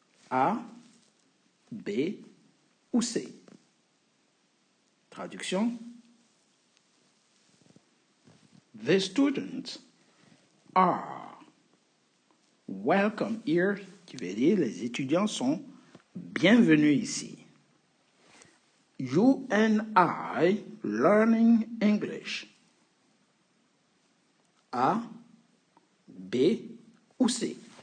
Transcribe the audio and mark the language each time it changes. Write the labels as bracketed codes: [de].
[fr] A, B ou C? Traduction. [en] The students are welcome here. [fr] Qui veut dire les étudiants sont bienvenus ici. [en] You and I learning English. [fr] A, B ou C?